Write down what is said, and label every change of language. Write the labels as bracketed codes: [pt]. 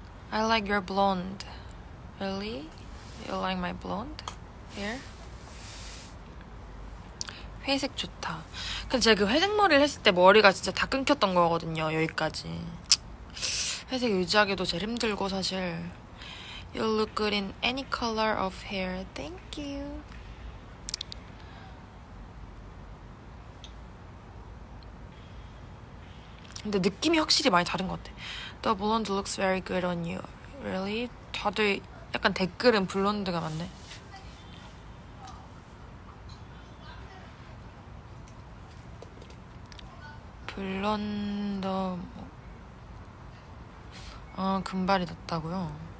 [en] I like your blonde. Really? You like my blonde hair? [ko] 회색 좋다. 근데 제가 그 회색 머리를 했을 때 머리가 진짜 다 끊겼던 거거든요. 여기까지. 회색 유지하기도 제일 힘들고 사실. [en] You look good in any color of hair. Thank you. [ko] 근데 느낌이 확실히 많이 다른 것 같아. [en] The blonde looks very good on you. Really? [ko] 다들 약간 댓글은 블론드가 많네. 블론더 어 금발이 낫다고요?